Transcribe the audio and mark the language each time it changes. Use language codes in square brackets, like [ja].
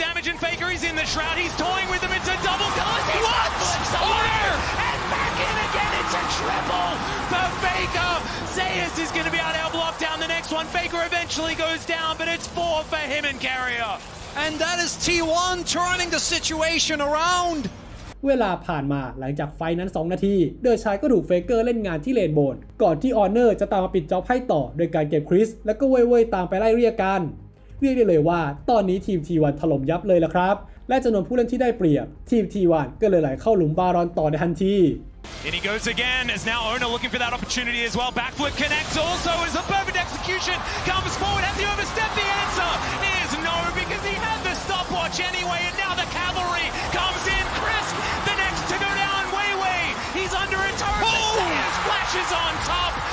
[en] and Faker, he's in the shroud, he's toying with him, it's a double clutch! What? Order! And back in again, it's a triple for Faker! Zayas is going to be able to block down the next one, Faker eventually goes down, but it's four for him and Carrier. And that is T1 turning the situation around! [th] เวลาผ่านมาหลังจากไฟนั้น2นาทีเดอร์ชายก็ถูกเฟเกอร์เล่นงานที่เลนโบนก่อนที่ออเนอร์จะตามมาปิดจ็อบให้ต่อโดยการเก็บคริสแล้วก็เว่ยเว่ยตามไปไล่เรียกกันเรียกได้เลยว่าตอนนี้ทีม T1 ถล่มยับเลยล่ะครับและจำนวนผู้เล่นที่ได้เปรียบทีม T1 ก็เลยไหลเข้าหลุมบารอนต่อในทันที [en] And he goes again, as now Owner looking for that opportunity as well. Backflip connects also as a perfect execution comes forward. Has he overstepped? The answer is no, because he had the stopwatch anyway. And now the cavalry comes in. Crisp, the next to go down. Weiwei, he's under a turret. Zayas flashes on top.